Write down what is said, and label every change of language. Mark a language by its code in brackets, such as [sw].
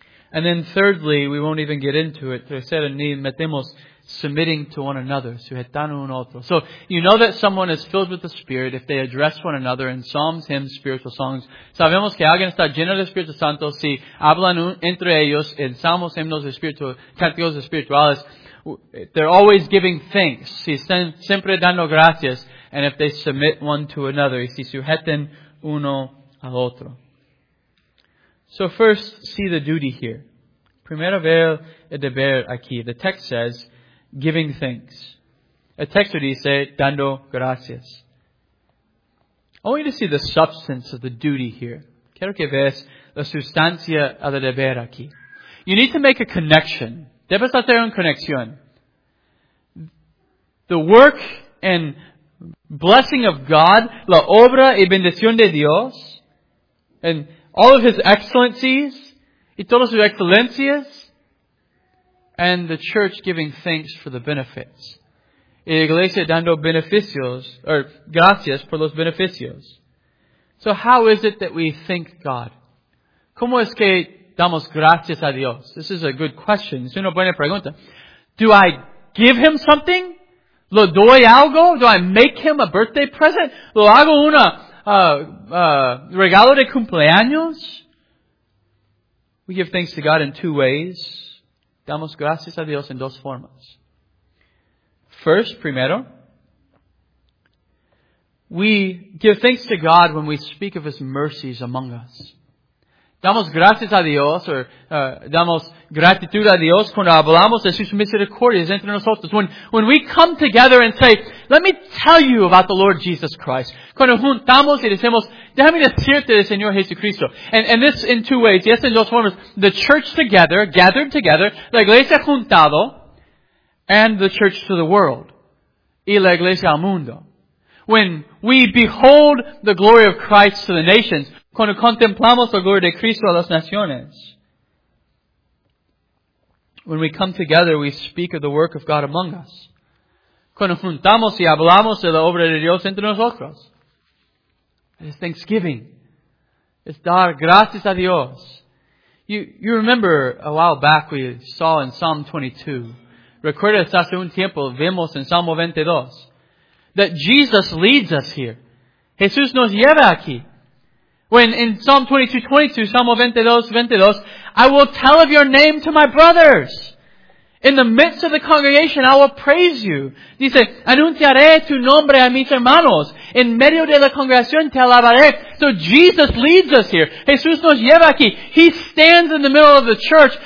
[en] And then thirdly, we won't even get into it. [es] Tercero, ni metemos [en] submitting to one another. [es] Sujetando un otro. [en] So, you know that someone is filled with the Spirit if they address one another in psalms, hymns, spiritual songs. [es] Sabemos que alguien está lleno del Espíritu Santo si hablan entre ellos en salmos, himnos, cánticos espirituales. [en] They're always giving thanks. [es] Si están siempre dando gracias. [en] And if they submit one to another. [es] Y si sujetan uno al otro. [en] So first, see the duty here. [es] Primero ver el deber aquí. [en] The text says, giving thanks. [es] El texto dice, dando gracias. [en] I want you to see the substance of the duty here. [es] Quiero que veas la sustancia del deber aquí. [en] You need to make a connection. [es] Debes hacer una conexión. [en] The work and blessing of God, [es] la obra y bendición de Dios, [en] and all of His excellencies, [es] y todas sus excelencias, [en] and the church giving thanks for the benefits. [es] Y la iglesia dando beneficios, or gracias por los beneficios. [en] So how is it that we thank God? [es] ¿Cómo es que damos gracias a Dios? [en] This is a good question. [es] Es una buena pregunta. [en] Do I give Him something? [es] ¿Lo doy algo? [en] ¿Do I make Him a birthday present? [es] ¿Lo hago una regalo de cumpleaños? [en] We give thanks to God in two ways. [es] Damos gracias a Dios en dos formas. [en] First, primero, we give thanks to God when we speak of His mercies among us. [es] Damos gracias a Dios, damos gratitud a Dios cuando hablamos de sus misericordias entre nosotros. [en] When we come together and say, let me tell you about the Lord Jesus Christ. [es] Cuando juntamos y decimos, déjame decirte del Señor Jesucristo. [en] And this in two ways, yes, [es] in dos formas. [en] The church together, gathered together, [es] la iglesia juntado, [en] and the church to the world. [es] Y la iglesia al mundo. [en] When we behold the glory of Christ to the nations, [es] cuando contemplamos la gloria de Cristo a las naciones. [en] When we come together, we speak of the work of God among us. [es] Cuando juntamos y hablamos de la obra de Dios entre nosotros. [en] It's thanksgiving. It's [es] dar gracias a Dios. [en] You remember a while back we saw in Psalm 22. [es] Recuerdas hace un tiempo, vemos en Salmo 22. [en] That Jesus leads us here. [es] Jesús nos lleva aquí. [en] When in Psalm 22:22, Salmo 22:22, I will tell of your name to my brothers. In the midst of the congregation, I will praise you. [es] Dice, anunciaré tu nombre a mis hermanos. En medio de la congregación te alabaré. [en] So Jesus leads us here. [es] Jesús nos lleva aquí. [en] He stands in the middle of the church.